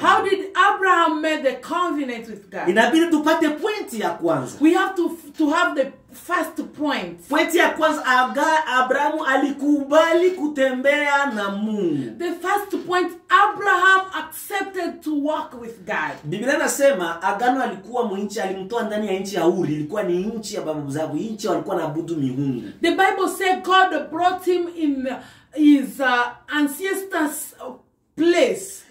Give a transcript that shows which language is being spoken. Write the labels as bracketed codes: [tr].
[en] How did Abraham make the covenant with God? [sw] Inabidi tupate pointi ya kwanza. [en] We have to have the first point. [sw] Pointi ya kwanza Abraham alikubali kutembea na Mungu. [en] The first point, Abraham accepted to walk with God. [sw] Biblia nasema agano alikuwa mwinchi alimtoa ndani ya nchi ya Uri, ilikuwa ni nchi ya babu zangu, nchi walikuwa naabudu miungu. [en] The Bible said God brought him in his ancestors place.